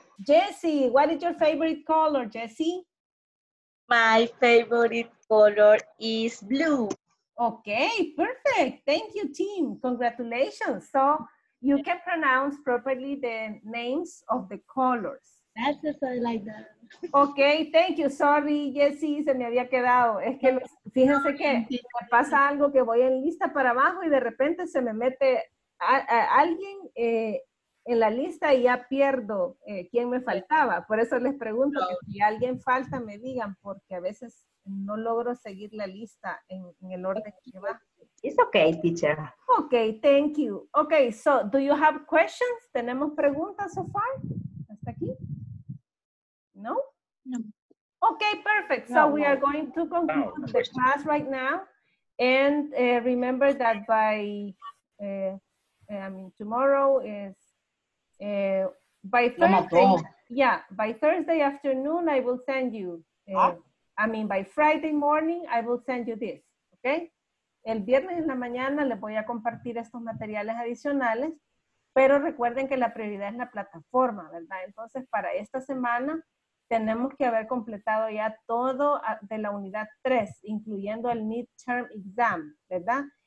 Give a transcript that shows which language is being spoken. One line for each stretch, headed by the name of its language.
English: Jessie, what is your favorite color, Jessie? My favorite color is blue. Okay, perfect. Thank you, team. Congratulations. So you can pronounce properly the names of the colors. That's just like that. Ok, thank you, sorry Jessie,
Spanish: se me había quedado, es que fíjense que me pasa algo que voy en lista para abajo y de repente se me mete alguien en la lista y ya pierdo quién me faltaba, por eso les pregunto que si alguien falta me digan porque a veces no logro seguir la lista en el orden que va.
English: It's okay, teacher. Ok, thank you. Ok, so do you have questions?
Spanish: ¿Tenemos preguntas
English: so far?
Spanish: ¿Hasta aquí? No?
English: No. Okay, perfect. So no, we are going to conclude the class right now. And remember that by, tomorrow is, by Thursday. Yeah, by Thursday afternoon, I will send you. By Friday morning, I will send you this. Okay?
Spanish: El viernes en la mañana les voy a compartir estos materiales adicionales. Pero recuerden que la prioridad es la plataforma, ¿verdad? Entonces, para esta semana, tenemos que haber completado ya todo de la unidad 3, incluyendo el midterm exam, ¿verdad?